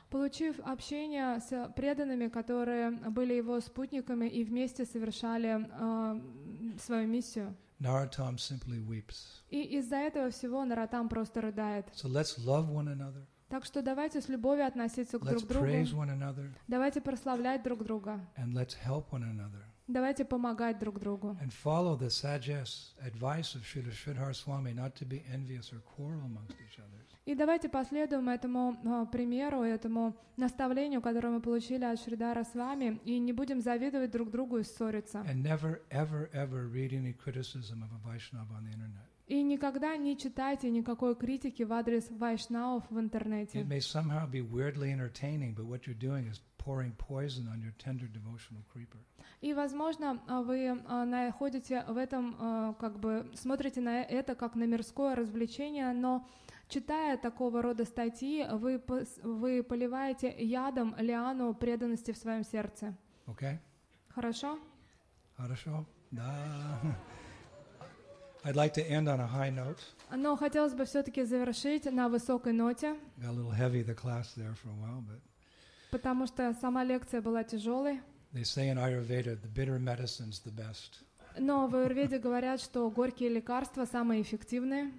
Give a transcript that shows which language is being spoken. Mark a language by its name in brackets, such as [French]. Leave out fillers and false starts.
[Russian] Получив общение с преданными, которые были его спутниками и вместе совершали свою миссию. [English] Narottam simply weeps. [Russian] И из-за этого всего Наратам просто рыдает. [English] So let's love one another. [Russian] Так что давайте с любовью относиться [English] let's [Russian] друг к другу. [English] Another, [Russian] давайте прославлять друг друга. [English] And let's help one another, [Russian] давайте помогать друг другу. [English] And follow the sages advice of Srila Sridhar Swami not to be envious or quarrel amongst each other. [Russian] И давайте последуем этому примеру, этому наставлению, которое мы получили от Шридхара Свами, и не будем завидовать друг другу и ссориться. [English] And never, ever, ever read any criticism of a Vaishnava on the internet. [Russian] И никогда не читайте никакой критики в адрес вайшнавов в интернете. [English] It may somehow be weirdly entertaining, but what you're doing is pouring poison on your tender devotional creeper. [Russian] И, возможно, вы находите в этом, как бы, смотрите на это как на мирское развлечение, но Читая такого рода статьи, вы поливаете ядом лиану преданности в своем сердце. [English] Okay. [Russian] Хорошо? Хорошо, да. [English] I'd like to end on a high note. [Russian] Но хотелось бы все-таки завершить на высокой ноте. [English] Got a little heavy the class there for a while, but. [Russian] Потому что сама лекция была тяжелой. [English] They say in Ayurveda, the bitter medicine's the best. [Russian] Но в Аюрведе говорят, что горькие лекарства самые эффективные.